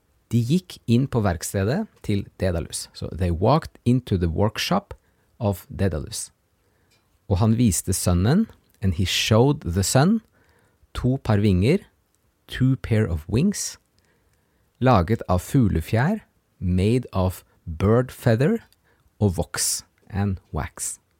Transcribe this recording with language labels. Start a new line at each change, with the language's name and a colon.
Norwegian: De gikk inn på verkstedet til Daedalus.
English: So they walked into the workshop of Daedalus.
Norwegian: Og han viste sønnen.
English: And he showed the son.
Norwegian: To par vinger,
English: two pair of wings,
Norwegian: laget av fuglefjær,
English: made of bird feather,
Norwegian: og voks,
English: and wax.